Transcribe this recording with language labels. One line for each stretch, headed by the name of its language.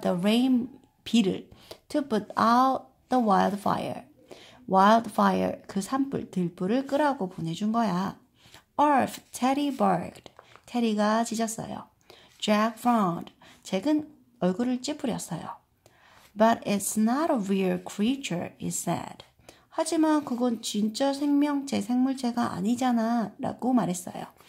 English: The rain,
Korean: 비를.
English: To put out the wildfire.
Korean: Wildfire, 그 산불, 들불을 끄라고 보내준 거야.
English: Arf, Teddy barked.
Korean: 테리가 짖었어요.
English: Jack frowned.
Korean: 잭은 얼굴을 찌푸렸어요.
English: But it's not a real creature, he said.
Korean: 하지만 그건 진짜 생명체, 생물체가 아니잖아 라고 말했어요.